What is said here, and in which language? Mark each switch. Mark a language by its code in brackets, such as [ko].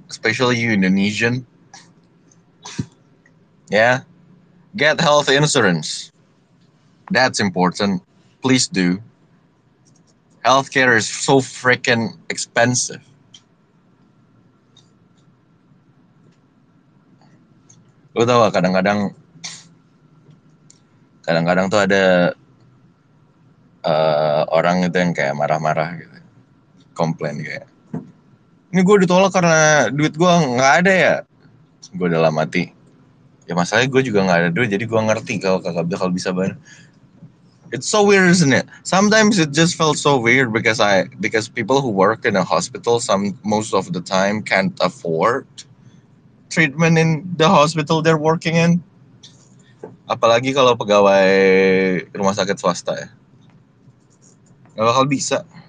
[en] Especially you Indonesian. Yeah. Get health insurance. That's important. Please do. Healthcare is so freaking expensive. [id] Lo tau gak kadang-kadang tuh ada orang itu yang kayak marah-marah gitu, komplain kayak, ini gue ditolak karena duit gue nggak ada ya, gue dalam hati, ya masalahnya gue juga nggak ada duit, jadi gue ngerti kalau kakak bakal bisa bayar. [en] It's so weird, isn't it? Sometimes it just felt so weird because people who work in a hospital most of the time can't afford treatment in the hospital they're working in. [id] Apalagi kalau pegawai rumah sakit swasta ya. Gak bakal bisa.